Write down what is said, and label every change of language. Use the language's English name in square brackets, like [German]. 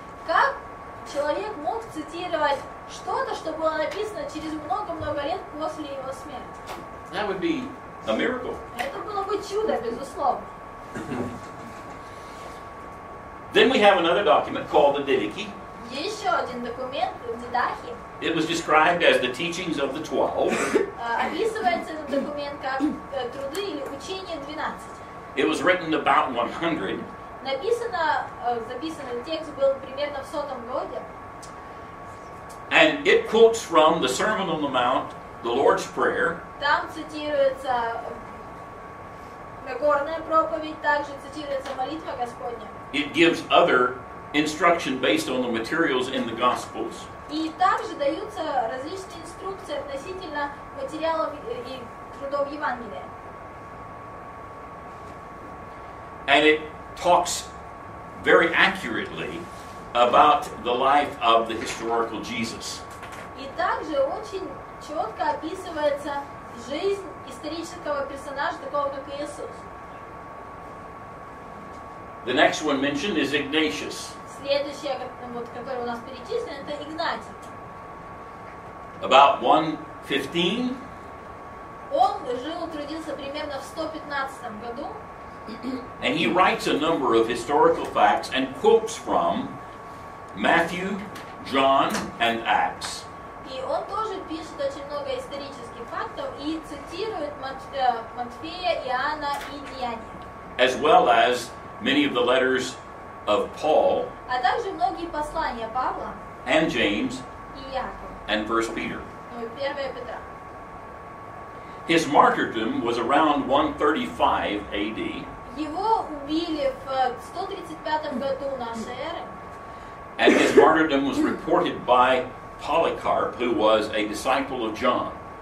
[Russian] Как человек мог цитировать что-то, что было написано через много-много лет после его смерти? [English] That would be a miracle. [Russian] Это было бы чудо, безусловно. [English] Then we have another document called the Didache. [Russian] Еще один документ, Дидахи. [English] It was described as the teachings of the 12. [Russian] Описывается этот документ как труды или учения 12. [English] It was written about 100. [Russian] Записанный текст был примерно в 100 году. [English] And it quotes from the Sermon on the Mount, the Lord's Prayer. [Russian] Там цитируется Нагорная проповедь, также цитируется молитва Господня. [English] It gives other instruction based on the materials in the Gospels. [Russian] И также даются различные инструкции относительно материалов и трудов Евангелия. [English] And it talks very accurately about the life of the historical Jesus. [Russian] И также очень четко описывается жизнь исторического персонажа, такого как Иисус. [English] The next one mentioned is Ignatius. [Russian] Следующее, которое у нас перечислено, это Игнатий. [English] About 115. [Russian] Он жил, трудился примерно в 115 году. [English] And he writes a number of historical facts and quotes from Matthew, John, and Acts. [Russian] И он тоже пишет очень много исторических фактов и цитирует Матфея, Иоанна и Деяния. [English] As well as many of the letters of Paul. [Russian] А также многие послания Павла. [English] And James. [Russian] И Якова. [English] And 1 Peter. [Russian] Ну и 1 Петра. [English] His martyrdom was around 135 AD. [Russian] Его убили в 135 году нашей эры. [English] And his martyrdom was reported by Polycarp, who was a disciple of John.